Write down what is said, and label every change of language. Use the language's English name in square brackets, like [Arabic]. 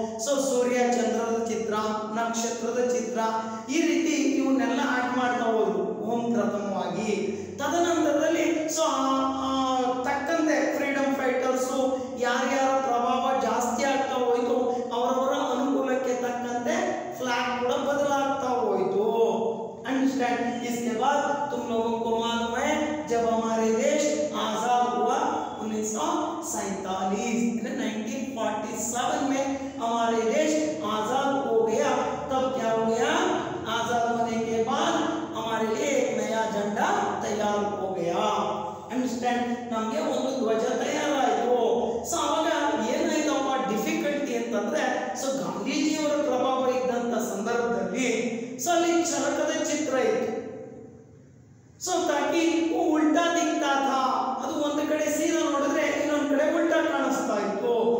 [Kannada] So ಸೂರ್ಯ ಚಂದ್ರದ ಚಿತ್ರ, ನಕ್ಷತ್ರದ ಚಿತ್ರ, ಈ ರೀತಿ ಇವನ್ನೆಲ್ಲ ಆಡ್ ಮಾಡ್ತಾ ಹೋದ್ರು ಓಂ ಪ್ರಥಮವಾಗಿ. ತದನಂತರದಲ್ಲಿ ಸೊ ತಕ್ಕಂತೆ ಫ್ರೀಡಮ್ ಫೈಟರ್ಸ್ ಯಾರ್ಯಾರ ಪ್ರಭಾವ ಜಾಸ್ತಿ ಆಗ್ತಾ ಹೋಯ್ತು ಅವರವರ ಅನುಕೂಲಕ್ಕೆ ತಕ್ಕಂತೆ ಫ್ಲಾಗ್ ಕೂಡ ಬದಲಾಗ್ತಾ ಹೋಯ್ತು. [English] Understand. [Hindi] इसके बाद तुम लोगों को मालूम है जब हमारे देश आजाद हुआ 1947 में हमारे देश आजाद हो गया, तब क्या हो गया, आजाद होने के बाद हमारे लिए एक नया झंडा तैयार हो गया. [English] Understand. [Kannada] नमगे ಒಂದು ಧ್ವಜ ತಯಾರ ಆಯ್ತು. ಸೊ ಅವಾಗ ಏನಾಯ್ತಪ್ಪ ಡಿಫಿಕಲ್ಟಿ ಅಂತಂದ್ರೆ, ಸೊ ಗಾಂಧೀಜಿಯವರ ಪ್ರಭಾವ ಇದ್ದಂತ ಸಂದರ್ಭದಲ್ಲಿ ಸೊ ಅಲ್ಲಿ ಚರಕದ ಚಿತ್ರ ಇತ್ತು. [Hindi] ಸೊ ತಾಕಿ ಉಲ್ಟಾ ದಿಕ್ತಾ ಥಾ, [Kannada] ಅದು ಒಂದ್ ಕಡೆ ಸೀದಾ ನೋಡಿದ್ರೆ ಇನ್ನೊಂದ್ ಕಡೆ ಉಲ್ಟಾ ಕಾಣಿಸ್ತಾ ಇತ್ತು.